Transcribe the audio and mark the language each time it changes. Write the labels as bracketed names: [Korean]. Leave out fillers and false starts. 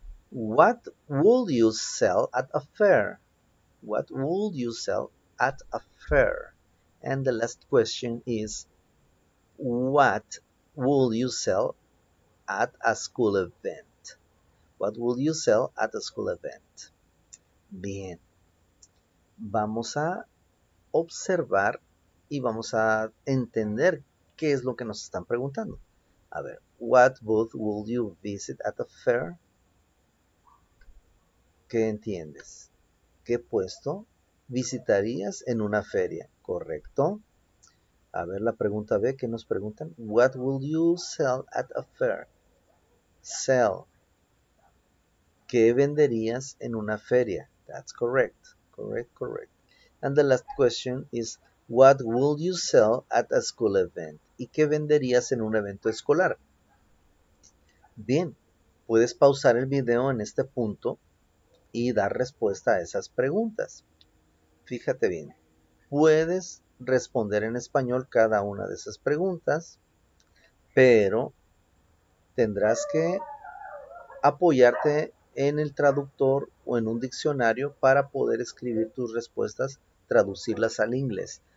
[English] What would you sell at a fair? What would you sell at a fair? And the last question is, what would you sell at a school event? What would you sell at a school event? [Spanish] Bien. Vamos a observar y vamos a entender qué es lo que nos están preguntando. [English] A ver, what booth would you visit at a fair? [Spanish] ¿Qué entiendes? ¿Qué puesto visitarías en una feria? ¿Correcto? A ver la pregunta B que nos preguntan. [English] What will you sell at a fair? Sell. [Spanish] ¿Qué venderías en una feria? That's correct. Correct, correct. [English] And the last question is, what will you sell at a school event? [Spanish] ¿Y qué venderías en un evento escolar? Bien, puedes pausar el video en este punto y dar respuesta a esas preguntas. Fíjate bien. Puedes responder en español cada una de esas preguntas, pero tendrás que apoyarte en el traductor o en un diccionario para poder escribir tus respuestas, traducirlas al inglés.